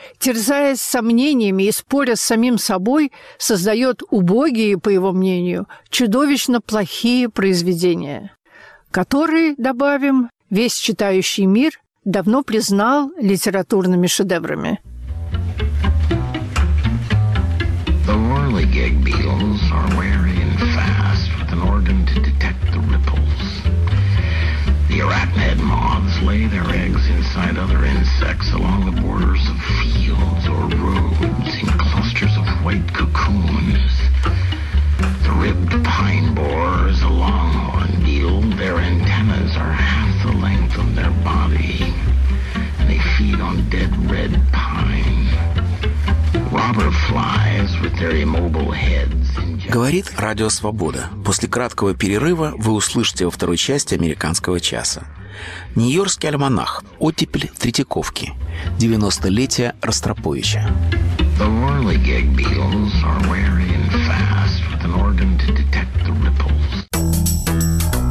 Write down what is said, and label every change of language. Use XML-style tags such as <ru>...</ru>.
<ru>терзаясь сомнениями и споря с самим собой, создает убогие, по его мнению, чудовищно плохие произведения, которые, добавим, весь читающий мир давно признал литературными шедеврами.</ru> <en>The whirligig beetles are wary and fast with an organ to detect the ripples. The arachnid moths lay their eggs inside other insects along the borders of fields or roads in clusters of white cocoons. The ribbed pine borer is a longhorn beetle. Their antennas are half the length of their body. They feed on dead red pine. Robber flies with their immobile heads.</en> <ru>Говорит Радио Свобода. После краткого перерыва вы услышите во второй части «Американского часа». Нью-Йоркский альманах. Оттепель в Третьяковке. 90-летие Ростроповича.</ru> <en>The whirligig beetles are wary and fast with an organ to detect the ripples.</en>